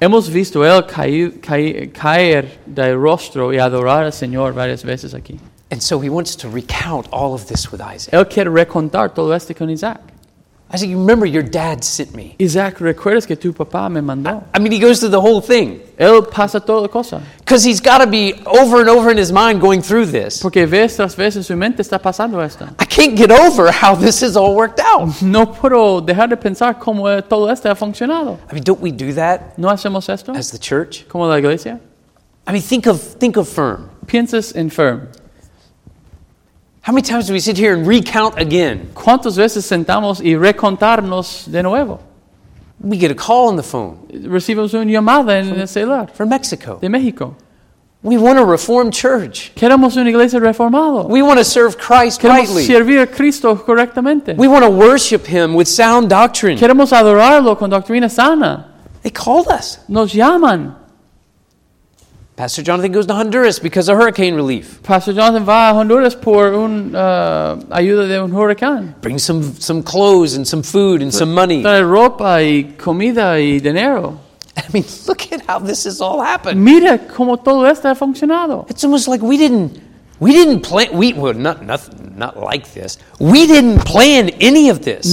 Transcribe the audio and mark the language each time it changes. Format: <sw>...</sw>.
<es>Hemos visto él caer de rostro y adorar al Señor varias veces aquí.</es> <en>And so he wants to recount all of this with Isaac.</en> <es>Él quiere recontar todo esto con Isaac.</es> <en>I said, remember your dad sent me.</en> <es>Isaac, ¿recuerdas que tu papá me mandó?</es> <en>I mean, he goes through the whole thing.</en> <es>Él pasa toda la cosa.</es> <en>Because he's got to be over and over in his mind going through this.</en> <es>Porque vez tras vez en su mente está pasando esto.</es> <en>I can't get over how this has all worked out.</en> <es>No puedo dejar de pensar cómo todo esto ha funcionado.</es> <en>I mean, don't we do that?</en> <es>¿No hacemos esto?</es> <en>As the church?</en> <es>Como la iglesia?</es> <en>I mean, think of Firm.</en> <es>Piensas en Firm.</es> <en>How many times do we sit here and recount again?</en> <es>¿Cuántas veces sentamos y recontarnos de nuevo?</es> <en>We get a call on the phone.</en> <es>Recibimos una llamada en el celular.</es> <en>From Mexico.</en> <es>De México.</es> <en>We want a reformed church.</en> <es>Queremos una iglesia reformada.</es> <en>We want to serve Christ</en> <es>Queremos</es> <en>rightly.</en> <es>Queremos servir a Cristo correctamente.</es> <en>We want to worship Him with sound doctrine.</en> <es>Queremos adorarlo con doctrina sana.</es> <en>They called us.</en> <es>Nos llaman.</es> <en>Pastor Jonathan goes to Honduras because of hurricane relief.</en> <es>Pastor Jonathan va a Honduras por un ayuda de un huracán.</es> <en>Bring some clothes and some food and some money.</en> <es>Trae ropa y comida y dinero.</es> <en>I mean, look at how this has all happened.</en> <es>Mira cómo todo esto ha funcionado.</es> <en>It's almost like we didn't plan We didn't plan any of this.</en>